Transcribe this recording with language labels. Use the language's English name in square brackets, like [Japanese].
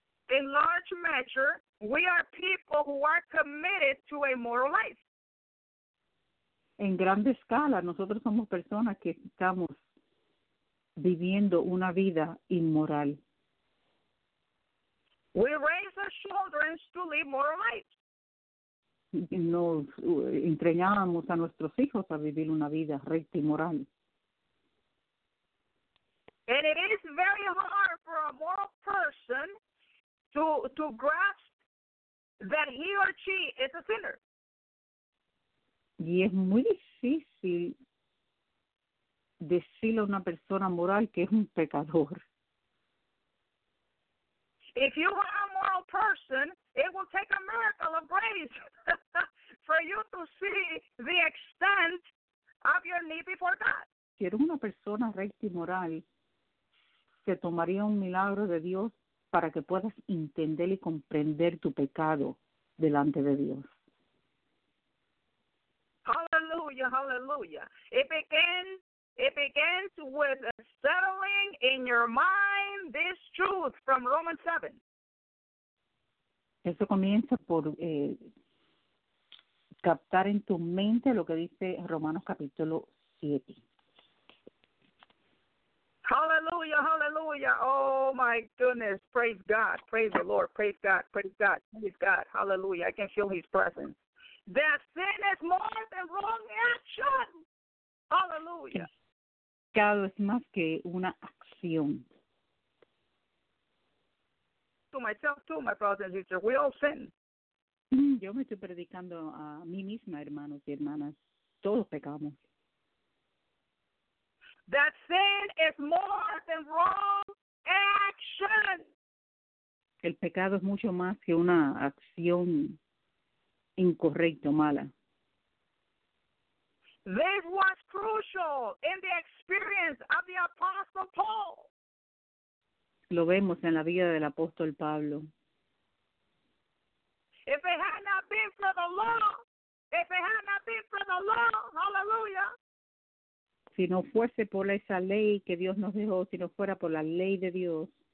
[English] in large measure, we are people who are committed to a moral life. [Spanish] En grande escala, nosotros somos personas que estamos viviendo una vida inmoral. [English] We raise our children to live moral life. [Spanish] Nos entrenábamos a nuestros hijos a vivir una vida recta y moral. [English] And it is very hard for a moral person to grasp that he or she is a sinner. [Spanish] Y es muy difícil decirle a una persona moral que es un pecador. [English] If you are a moral person, it will take a miracle of grace for you to see the extent of your need before God. [Spanish] Si eres una persona recta y moral, se tomaría un milagro de Dios para que puedas entender y comprender tu pecado delante de Dios. [English] Hallelujah, hallelujah. It begins with settling in your mind this truth from Romans 7. [Spanish] Eso comienza por captar en tu mente lo que dice Romanos capítulo 7. [English] Hallelujah, hallelujah. Oh, my goodness. Praise God. Praise the Lord. Praise God. Praise God. Praise God. Hallelujah. I can feel his presence. That sin is more than wrong action. Hallelujah. [Spanish] Pecado es más que una acción. [English] To myself too, my brothers and sisters, we all sin. [Spanish] Yo me estoy predicando a mí misma, hermanos y hermanas. Todos pecamos. [English] That sin is more than wrong action. [Spanish] El pecado es mucho más que una acción incorrecta o mala. [English] This was crucial in the experience of the Apostle Paul. [Spanish] Lo vemos en la vida del apóstol Pablo. [English] If it had not been for the law, if it had not been for the law, hallelujah. [Spanish] Si no fuese por esa ley que Dios nos dejó, si no fuera por la ley de Dios,